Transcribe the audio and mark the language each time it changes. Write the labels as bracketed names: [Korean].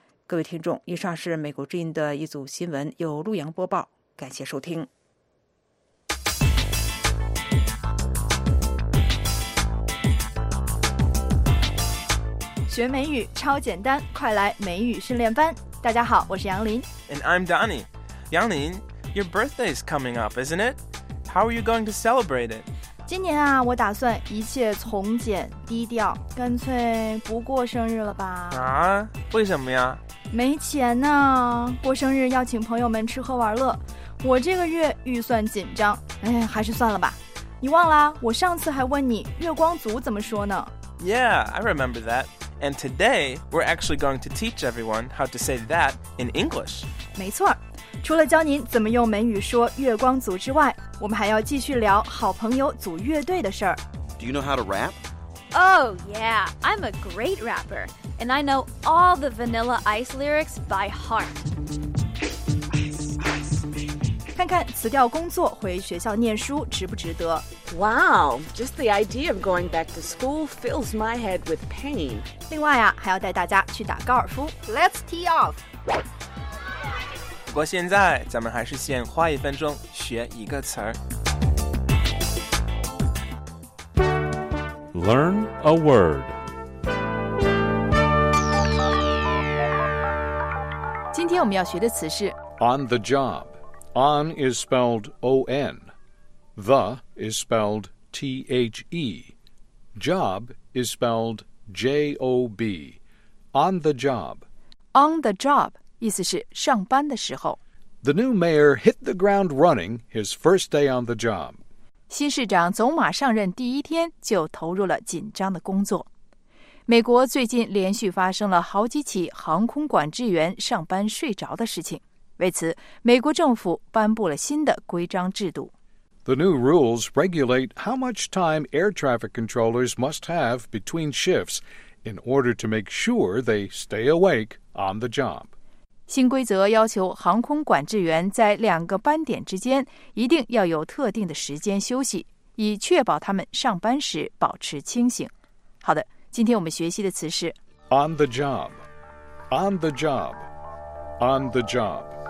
[Chinese] 各位听众，以上是美国之音的一组新闻，由陆阳播报，感谢收听。学美语超简单，快来美语训练班。大家好，我是杨林。 [English] And I'm Donnie. 杨林， your birthday is coming up, isn't it? How are you going to celebrate it? [Chinese] 今年啊，我打算一切从简低调，干脆不过生日了吧。啊？为什么呀？没钱呢，过生日要请朋友们吃喝玩乐，我这个月预算紧张，哎，还是算了吧。你忘了，我上次还问你月光族怎么说呢？ [English] Yeah, I remember that. And today, we're actually going to teach everyone how to say that in English. [Chinese] 没错，除了教您怎么用美语说月光族之外，我们还要继续聊好朋友组乐队的事儿。 [English] Do you know how to rap? Oh yeah, I'm a great rapper. And I know all the Vanilla Ice lyrics by heart. [Chinese] 看看辞掉工作回学校念书值不值得 [English] Wow, just the idea of going back to school fills my head with pain. [Chinese] 另外啊，还要带大家去打高尔夫 [English] Let's tee off. [Chinese] 不过现在咱们还是先花一分钟学一个词儿。 [English] Learn a word. [Chinese] 今天我们要学的词是 [English] On the job. On is spelled O-N. The is spelled T-H-E. Job is spelled J-O-B. On the job. On the job, [Chinese] 意思是上班的时候。 [English] The new mayor hit the ground running his first day on the job. [Chinese] 新市长走马上任第一天就投入了紧张的工作。美国最近连续发生了好几起航空管制员上班睡着的事情。为此，美国政府颁布了新的规章制度。 [English] The new rules regulate how much time air traffic controllers must have between shifts in order to make sure they stay awake on the job. [Chinese] 新规则要求航空管制员在两个班点之间一定要有特定的时间休息，以确保他们上班时保持清醒。好的，今天我们学习的词是 [English] On the job, on the job, on the job.